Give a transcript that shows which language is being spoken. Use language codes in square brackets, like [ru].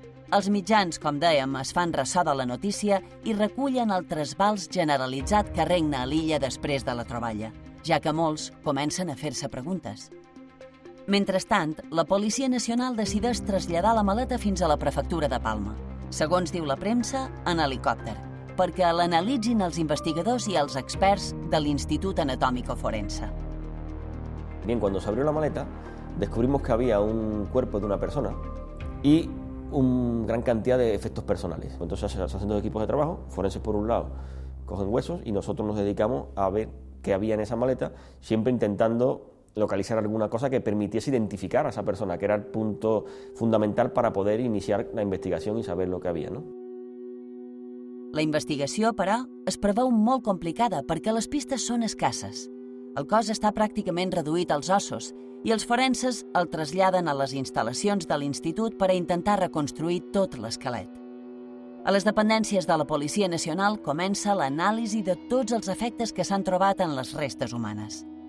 [ca] Els mitjans, com dèiem, es fan ressò de la notícia i recullen el trasbals generalitzat que regna a l'illa després de la troballa, ja que molts comencen a fer-se preguntes. Mentrestant, la Policia Nacional decideix traslladar la maleta fins a la prefectura de Palma, segons diu la premsa, en helicòpter, perquè l'analitzin els investigadors i els experts de l'Institut Anatòmico Forense. [es] Bien, cuando se abrió la maleta, descubrimos que había un cuerpo de una persona y un gran cantidad de efectos personales. Entonces se hacen dos equipos de trabajo, forenses por un lado cogen huesos y nosotros nos dedicamos a ver qué había en esa maleta, siempre intentando localizar alguna cosa que permitiese identificar a esa persona, que era el punto fundamental para poder iniciar la investigación y saber lo que había, ¿no? [ca] La investigació, però, es preveu molt complicada perquè les pistes són escasses. El cos està pràcticament reduït als ossos i els forenses el traslladen a les instal·lacions de l'Institut per a intentar reconstruir tot l'esquelet. A les dependències de la Policia Nacional comença l'anàlisi de tots els efectes que s'han trobat en les restes humanes.